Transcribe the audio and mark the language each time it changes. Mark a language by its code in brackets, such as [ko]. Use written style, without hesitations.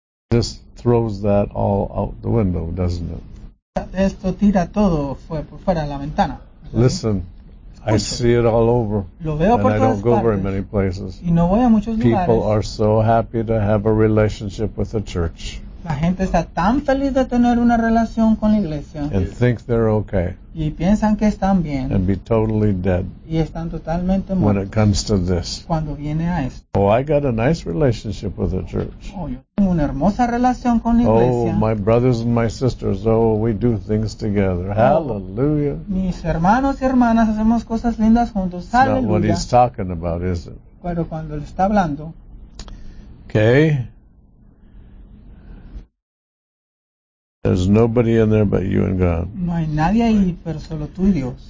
[en] This throws that all out the window, doesn't it? [es] Esto tira todo fuera de la ventana. [en] Listen, [es] escucho. [en] I see it all over. [es] Lo veo por todas partes. [en] And I don't go very many places. [es] Y no voy a muchos lugares. [en] People are so happy to have a relationship with the church. [es] La gente está tan feliz de tener una relación con la iglesia. [en] And think they're okay. [es] Y piensan que están bien. [en] And be totally dead. [es] Y están totalmente muertos. [en] When it comes to this. [es] Cuando viene a esto. [en] Oh, I got a nice relationship with the church. [es] Oh, yo tengo una hermosa relación con la iglesia. [en] Oh, my brothers and my sisters. Oh, we do things together. Oh, hallelujah. [es] Mis hermanos y hermanas hacemos cosas lindas juntos. [en] It's hallelujah. Not what he's talking about, is it? [es] Pero cuando le está hablando. [en] Okay. There's nobody in there but you and God. [es] No hay nadie ahí, pero solo tú y Dios.